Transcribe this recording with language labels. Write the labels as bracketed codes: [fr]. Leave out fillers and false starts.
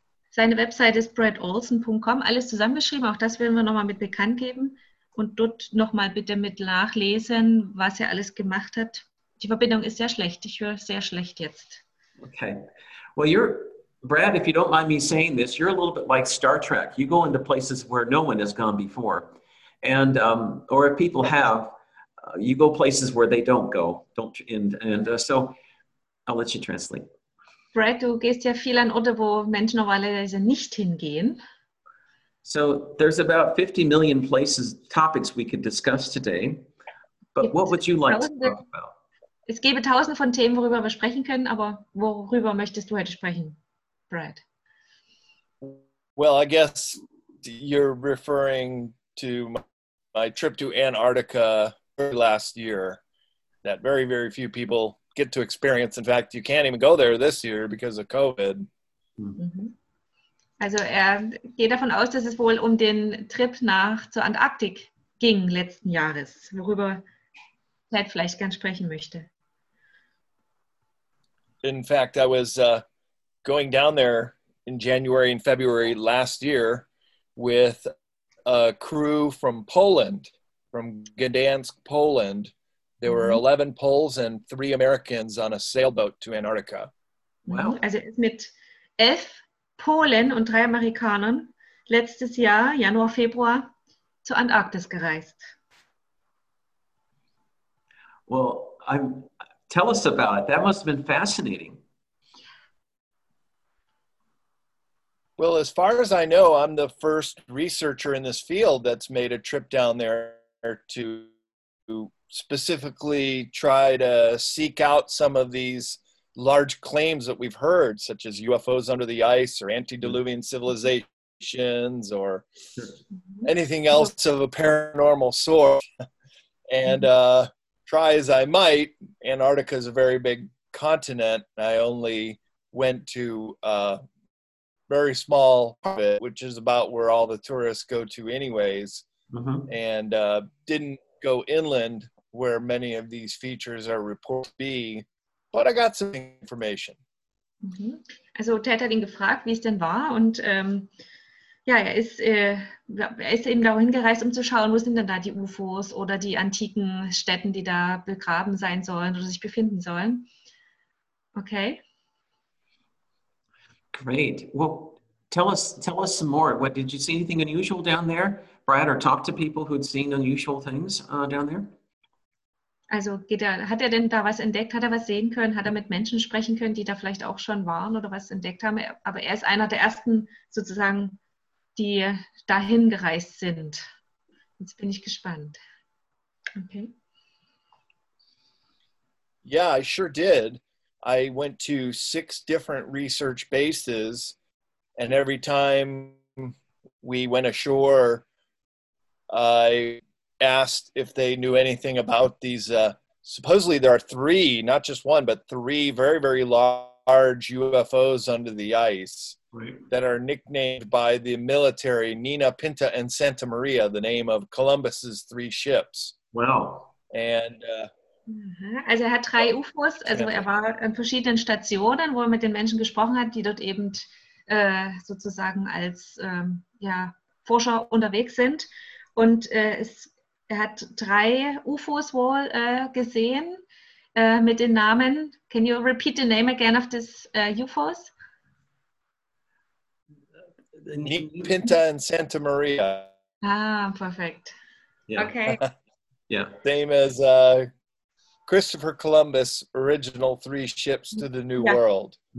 [de] Seine Website ist bradolsen.com, alles zusammengeschrieben, auch das werden wir nochmal mit bekannt geben und dort nochmal bitte mit nachlesen, was er alles gemacht hat. Die Verbindung ist sehr schlecht, ich höre sehr schlecht jetzt. [en] Okay, well you're, Brad, if you don't mind me saying this, you're a little bit like Star Trek. You go into places where no one has gone before and, or if people have, you go places where they don't go. So I'll let you translate. [de] Brad, du gehst ja viel an Orte, wo Menschen normalerweise nicht hingehen. [en] So, there's about 50 million places, topics we could discuss today. But what would you like to talk about? [de] Es gäbe tausend von Themen, worüber wir sprechen können, aber worüber möchtest du heute sprechen, Brad? [en] Well, I guess you're referring to my trip to Antarctica last year, that very, very few people get to experience. In fact, you can't even go there this year because of COVID. [de] Also er geht davon aus, dass es wohl um den Trip nach zur Antarktik ging letzten Jahres, worüber Ted vielleicht gern sprechen möchte. [en] In fact, I was going down there in January and February last year with a crew from Poland, from Gdansk, Poland. There were 11 Poles and 3 Americans on a sailboat to Antarctica. Wow. [de] Also mit 11 Polen und 3 Amerikanern letztes Jahr, Januar, Februar, zur Antarktis gereist. [en] Well, tell us about it. That must have been fascinating. Well, as far as I know, I'm the first researcher in this field that's made a trip down there to specifically try to seek out some of these large claims that we've heard, such as UFOs under the ice or antediluvian civilizations or anything else of a paranormal sort. And try as I might, Antarctica is a very big continent. I only went to a very small part of it, which is about where all the tourists go to anyways, and didn't go inland where many of these features are reported to be. But I got some information. [de] Also Ted hat ihn gefragt, wie es denn war. Und ja, er ist eben dahin gereist, um zu schauen, wo sind denn da die UFOs oder die antiken Stätten, die da begraben sein sollen oder sich befinden sollen. [en] Okay. Great. Well, tell us some more. What did you see, anything unusual down there, Brad, or talk to people who had seen unusual things down there? [de] Also hat er denn da was entdeckt? Hat er was sehen können? Hat er mit Menschen sprechen können, die da vielleicht auch schon waren oder was entdeckt haben? Aber er ist einer der ersten, sozusagen, die dahin gereist sind. Jetzt bin ich gespannt. Okay. [en] Yeah, I sure did. I went to 6 different research bases, and every time we went ashore, I asked if they knew anything about these. Supposedly there are 3, not just one, but 3 very, very large UFOs under the ice that are nicknamed by the military Nina, Pinta, and Santa Maria, the name of Columbus's 3 ships. Wow. And [de] also er hat 3 UFOs, also er war an verschiedenen Stationen, wo er mit den Menschen gesprochen hat, die dort eben sozusagen als Forscher unterwegs sind. Und er hat 3 UFOs wohl gesehen mit den Namen. [en] Can you repeat the name again of this UFOs? Pinta and Santa Maria. Ah, perfect. Yeah. Okay. Yeah. Same as Christopher Columbus' original 3 ships to the New World.